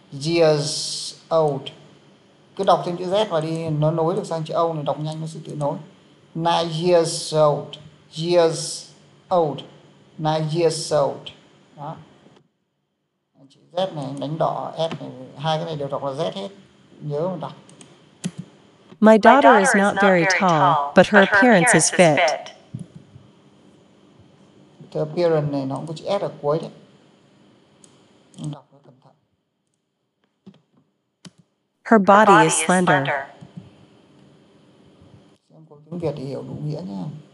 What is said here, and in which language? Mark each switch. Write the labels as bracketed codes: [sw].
[en] Years old. [vi] Cứ đọc thêm chữ z vào đi, nó nối được sang chữ old này, đọc nhanh nó sẽ tự nối. [en] 9 years old. Years old. 9 years old. [vi] Đó. Chữ z này đánh đỏ, s này, hai cái này đều đọc là z hết. Nhớ mà đọc. [en] My daughter is not very tall, but her appearance is fit. [vi] The appearance này nó cũng có chữ s ở cuối đấy. Đọc nó cẩn thận. [en] Her body is slender. [vi] Tiếng Việt thì hiểu đúng nghĩa nha.